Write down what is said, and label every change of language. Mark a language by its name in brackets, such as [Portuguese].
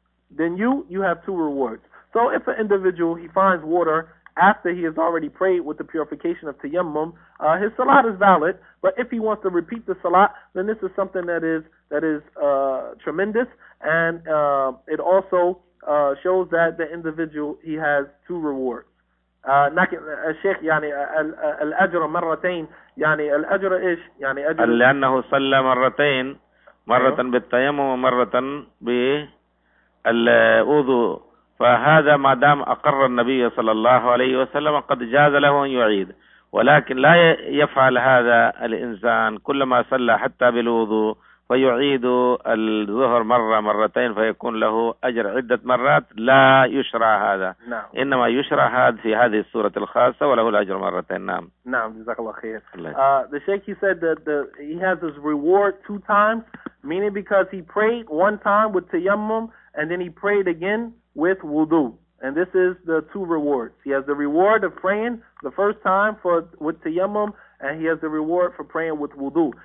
[English] Then you have two rewards." So if an individual, he finds water after he has already prayed with the purification of tayammum, his salat is valid. But if he wants to repeat the salat, then this is something that is tremendous. And it also shows that the individual, he has two rewards. [Arabic] لكن الشيخ يعني الأجر مرتين يعني الأجر إيش يعني أجر لأنه صلى مرتين مرة بالتيمم ومرة بالوضوء فهذا ما دام أقر النبي صلى الله عليه وسلم قد جاز له أن يعيد ولكن لا يفعل هذا الإنسان كلما صلى حتى بالوضوء فيعيد الظهر مرة مرتين فيكون له أجر عدة مرات لا يشرع هذا نعم. إنما يشرع هذا في هذه السورة الخاصة وله الأجر مرتين نعم نعم جزاك الله خير [English] the sheikh he said that he has his reward two times meaning because he prayed one time with tayammum and then he prayed again with wudu and this is the two rewards he has the reward of praying the first time for with tayammum And he has the reward for praying with wudu.